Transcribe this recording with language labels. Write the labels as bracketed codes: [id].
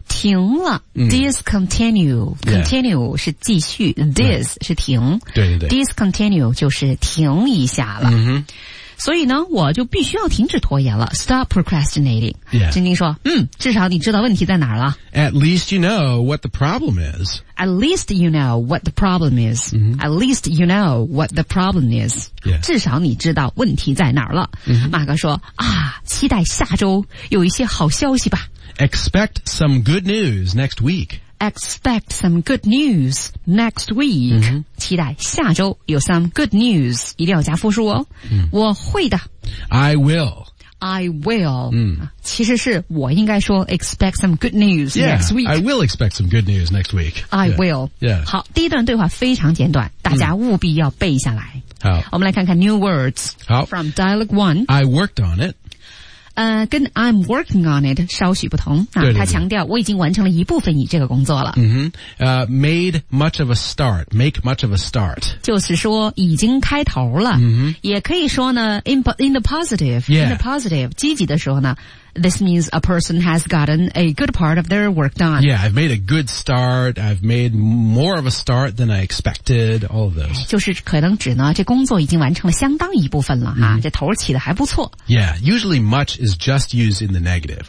[zh] 停了。Discontinue. Continue 是继续。 Dis 是停。对对对。 Discontinue 就是停一下了。 [en] Mm-hmm. [zh] 所以呢我就必须要停止拖延了 [en] Stop procrastinating、 yeah. [zh] 真金说至少你知道问题在哪儿了 [en] At least you know what the problem is At least you know what the problem is、 mm-hmm. At least you know what the problem is、 yeah. [zh] 至少你知道问题在哪儿了、 [en] mm-hmm. [zh] 马哥说啊，期待下周有一些好消息吧 [en] Expect some good news next week Expect some good news next week、 mm-hmm. [zh] 期待下周有 [en] some good news [zh] 一定要加复数哦、 [en] mm-hmm. [zh] 我会的 [en] I will、mm-hmm. [zh] 其实是我应该说 [en] expect some good news yeah, next week I will expect some good news next week I will、 yeah. [zh] 好第一段对话非常简短大家务必要背下来、 [en] mm-hmm. 好 [zh] 我们来看看 [en] new words [zh] 好 [en] from dialogue one I worked on it [zh] 跟 I'm working on it 稍许不同、啊、对对对他强调我已经完成了一部分以这个工作了、 [en] mm-hmm. Made much of a start Make much of a start [zh] 就是说已经开头了、 [en] mm-hmm. [zh] 也可以说呢 [en] in the positive、 yeah. In the positive [zh] 积极的时候呢 [en] This means a person has gotten a good part of their work done Yeah, I've made a good start I've made more of a start than I expected All of those [zh] 就是可能指呢这工作已经完成了相当一部分了、mm-hmm. 啊、这头起的还不错 [en] Yeah, usually muchis just used in the negative.